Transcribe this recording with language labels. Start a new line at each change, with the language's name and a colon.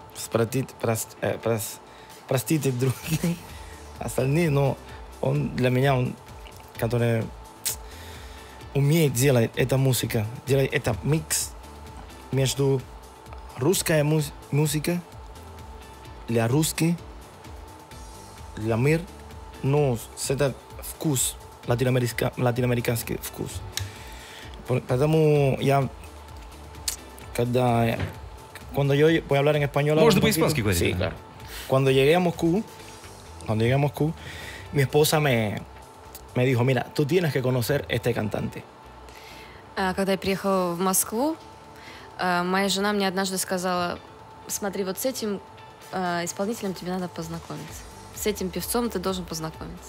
Russian: простить другим остальные, но он для меня, он, который умеет делать эту музыку, делать этот микс между русской музыкой для русских, для мир, но с этот вкус, латиноамериканский вкус. Поэтому я, когда я,
Spanish: cuando yo voy a hablar en español,
Russian: можно по-испански говорить. да.
Spanish: Cuando llegué a Moscú, mi esposa me dijo, mira, tú tienes que conocer este cantante.
Russian: Когда я приехал в Москву, моя жена мне однажды сказала, смотри, вот с этим исполнителем тебе надо познакомиться. С этим певцом ты должен познакомиться.